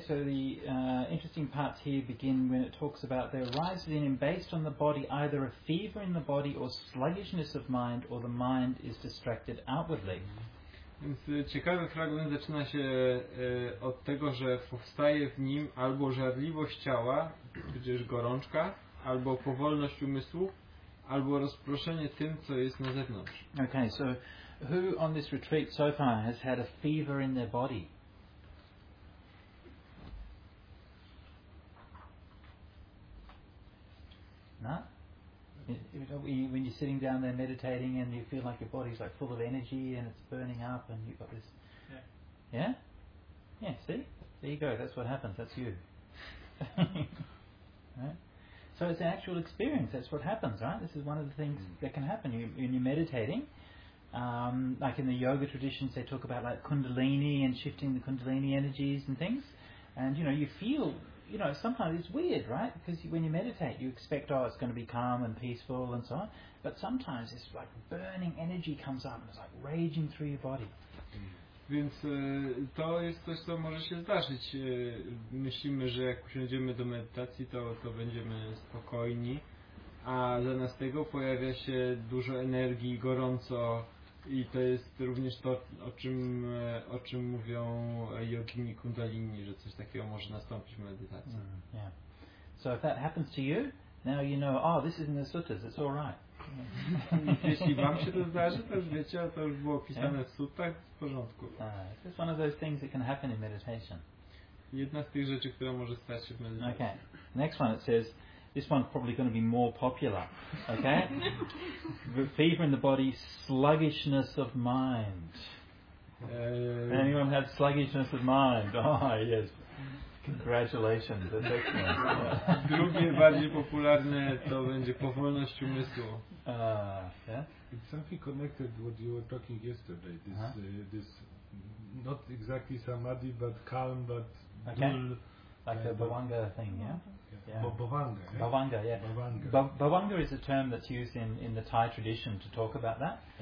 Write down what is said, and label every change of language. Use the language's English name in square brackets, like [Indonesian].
[English] Now the interesting parts here begin when it talks about there arises in him based on the body either a fever in the body or sluggishness of mind or the mind is distracted outwardly. [Polish] Więc ciekawy fragment zaczyna się od tego, że powstaje w nim albo żarliwość ciała, tudzież gorączka, albo powolność umysłu, albo rozproszenie tym, co jest na zewnątrz. [English] Okay, so who on this retreat so far has had a fever in their body? No? When you're sitting down there meditating and you feel like your body's like full of energy and it's burning up and you've got this... Yeah? Yeah, see? There you go, that's what happens, that's you. Right? So it's an actual experience, that's what happens, right? This is one of the things that can happen when you're meditating. Like in the yoga traditions, they talk about like kundalini and shifting the kundalini energies and things. And you know, you feel, you know, sometimes it's weird, right? Because when you meditate, you expect, oh, it's going to be calm and peaceful and so on. But sometimes this like burning energy comes up and it's like raging through your body. [Polish] Więc to jest coś, co może się zdarzyć. Myślimy, że jak usiądziemy do medytacji, to będziemy spokojni. A zamiast tego pojawia się dużo energii, gorąco i to jest również to, o czym mówią jogini kundalini, że coś takiego może nastąpić w medytacji. [English] Mm, yeah. So if that happens to you, now you know, oh, this is in the suttas, it's all right. [Polish] Jeśli wam się to zdarzy, to już wiecie, a to już było pisane w suttach, w porządku. [English] It's one of those things that can happen in meditation. [Polish] Jedna z tych rzeczy, która może stać się w medytacji. [English] Okay, next one it says, this one's probably going to be more popular, okay? Fever in the body, sluggishness of mind. Anyone had sluggishness of mind? Oh, yes. Congratulations, the next one. [Polish] Drugie bardziej popularne to będzie powolność umysłu. [English] Yeah? It's something connected what you were talking yesterday. This this not exactly samadhi but calm but dull. Like the bhavanga thing, yeah? Bhavanga, yeah. Bhavanga is a term that's used in the Thai tradition to talk about that.